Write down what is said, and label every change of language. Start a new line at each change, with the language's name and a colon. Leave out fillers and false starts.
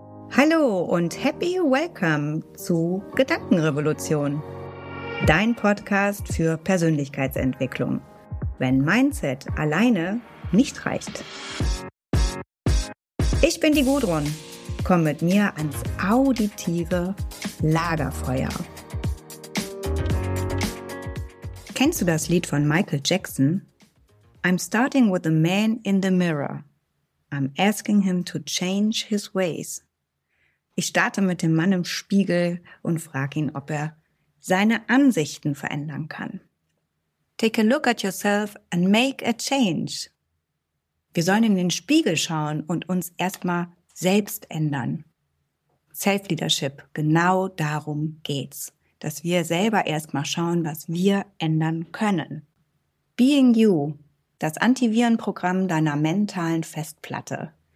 German: Hallo und happy welcome zu Gedankenrevolution, dein Podcast für Persönlichkeitsentwicklung, wenn Mindset alleine nicht reicht. Ich bin die Gudrun, komm mit mir ans auditive Lagerfeuer. Kennst du das Lied von Michael Jackson?
English: I'm starting with the man in the mirror. I'm asking him to change his ways.
German: Ich starte mit dem Mann im Spiegel und frage ihn, ob er seine Ansichten verändern kann.
English: Take a look at yourself and make a change.
German: Wir sollen in den Spiegel schauen und uns erstmal selbst ändern. Self-Leadership, genau darum geht's. Dass wir selber erstmal schauen, was wir ändern können. Being You, das Antivirenprogramm deiner mentalen Festplatte.